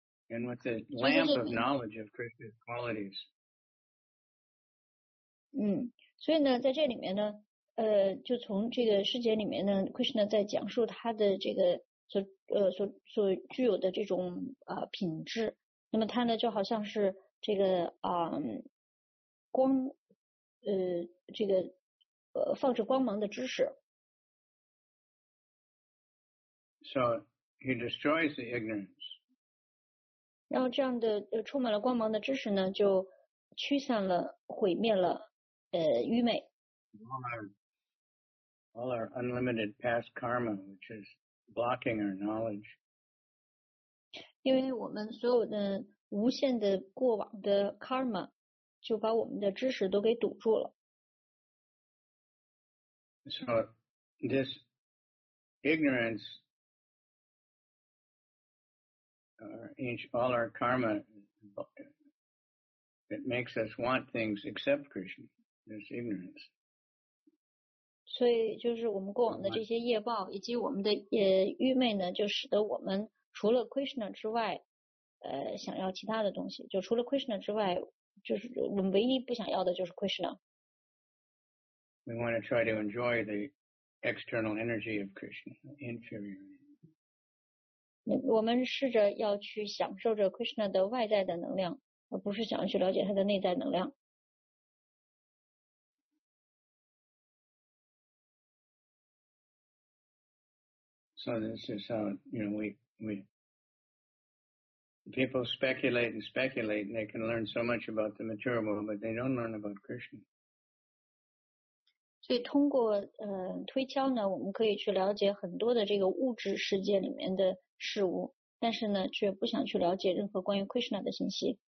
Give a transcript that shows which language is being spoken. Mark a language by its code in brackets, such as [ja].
[en] And with the lamp of knowledge of Krishna's qualities. [zh] 所以呢在这里面呢就从这个诗节里面呢 Krishna 在讲述他的这个所具有的这种品质。那么他呢就好像是这个放着光芒的知识。 [en] So he destroys the ignorance. [zh] 然后这样的充满了光芒的知识呢就驱散了毁灭了愚昧。 [en] All our unlimited past karma, which is blocking our knowledge. [zh] 因为我们所有的无限的过往的 karma 就把我们的知识都给堵住了。 [en] So this ignorance all our karma, it makes us want things except Krishna, this ignorance. [zh] 所以就是我们过往的这些业报以及我们的愚昧呢就使得我们除了 Krishna 之外想要其他的东西，就除了 Krishna 之外就是我们唯一不想要的就是 Krishna。 [en] We want to try to enjoy the external energy of Krishna, inferior energy. [zh] 我们试着要去享受着 Krishna 的外在的能量，而不是想要去了解他的内在能量。 [en] So this is how, you know, people speculate and speculate and they can learn so much about the material world, but they don't learn about Krishna. [zh] 所以通过推敲呢，我们可以去了解很多的这个物质世界里面的事物，但是呢却不想去了解任何关于 Krishna 的信息。